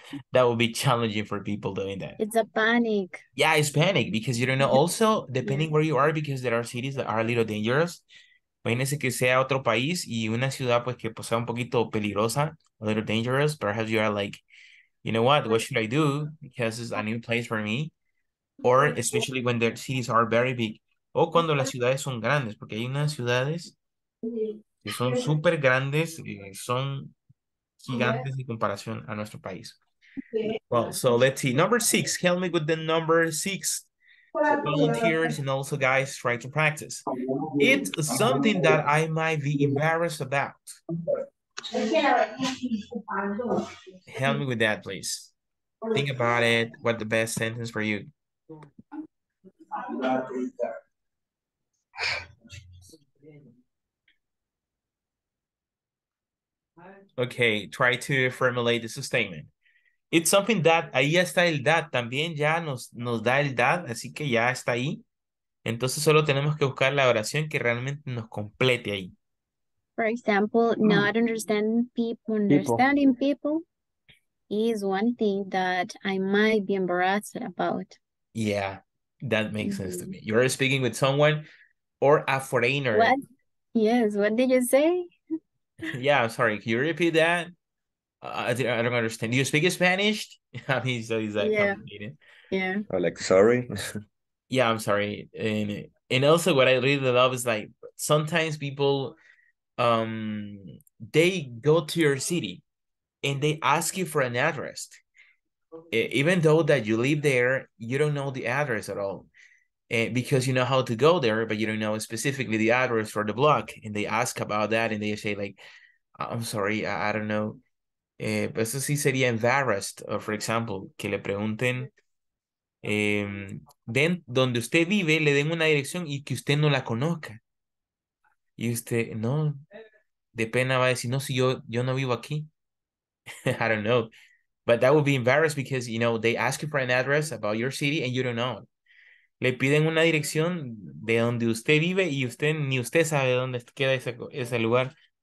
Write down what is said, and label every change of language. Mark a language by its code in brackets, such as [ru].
[en] That would be challenging for people doing that. It's a panic. Yeah, it's panic because you don't know. Also, depending where you are, because there are cities that are a little dangerous. [es] Imagínese que sea otro país y una ciudad pues que sea un poquito peligrosa, [en] a little dangerous. Perhaps you are like, you know what should I do? Because it's a new place for me. Or especially when the cities are very big. [es] O cuando las ciudades son grandes, porque hay unas ciudades que son súper grandes, son gigantes en comparación a nuestro país. [en] Well, so let's see. Number six, help me with the number six. Volunteers and also guys try to practice. It's something that I might be embarrassed about. Help me with that, please. Think about it. What the best sentence for you? Okay, try to formulate this statement. It's something that, [es] ahí está el that, también ya nos da el that, así que ya está ahí. Entonces solo tenemos que buscar la oración que realmente nos complete ahí. [en] For example, not understanding people is one thing that I might be embarrassed about. Yeah, that makes sense to me. You're speaking with someone or a foreigner. What? Yes, what did you say? Yeah, I'm sorry. Can you repeat that? I don't understand. Do you speak Spanish? I mean, so is that complicated? Yeah. Or like, sorry? Yeah, I'm sorry. And also what I really love is like, sometimes people, they go to your city and they ask you for an address. Even though that you live there, you don't know the address at all. Because you know how to go there, but you don't know specifically the address for the block. And they ask about that and they say like, I'm sorry, I don't know. [es] Pues eso sí sería [en] embarrassed, for example, [es] que le pregunten donde usted vive, le den una dirección y que usted no la conozca. Y usted, no, de pena va a decir, no, si yo no vivo aquí. [en] I don't know. But that would be embarrassed because, you know, they ask you for an address about your city and you don't know. [es] Le piden una dirección de donde usted vive y usted ni usted sabe dónde queda ese lugar.